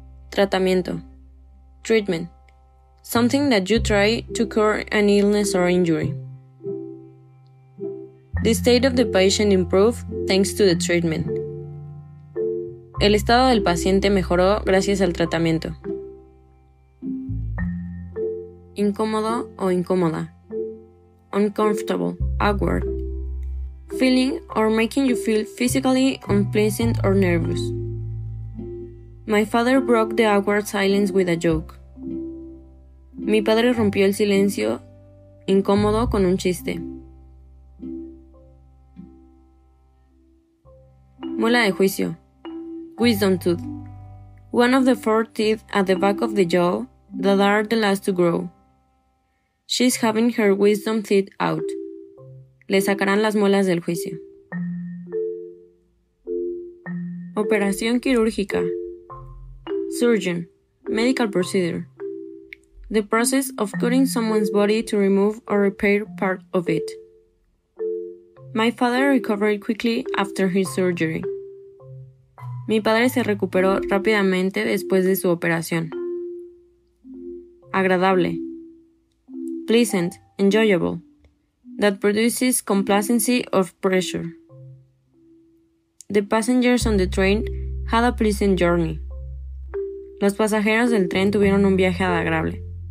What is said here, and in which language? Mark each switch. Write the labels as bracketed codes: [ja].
[es] Tratamiento. [en] Treatment. Something that you try to cure an illness or injury. The state of the patient improved thanks to the treatment. [es] El estado del paciente mejoró gracias al tratamiento. Incómodo o incómoda. [en] Uncomfortable, awkward. Feeling or making you feel physically unpleasant or nervous. My father broke the awkward silence with a joke. [es] Mi padre rompió el silencio incómodo con un chiste. Muela de juicio. [en] Wisdom tooth. One of the four teeth at the back of the jaw that are the last to grow. She's having her wisdom teeth out. [es] Le sacarán las muelas del juicio. Operación quirúrgica. [en] Surgeon. Medical procedure. The process of cutting someone's body to remove or repair part of it. My father recovered quickly after his surgery. [es] Mi padre se recuperó rápidamente después de su operación. Agradable. [en] Pleasant, enjoyable. That produces complacency of pressure. The passengers on the train had a pleasant journey. [es] Los pasajeros del tren tuvieron un viaje agradable.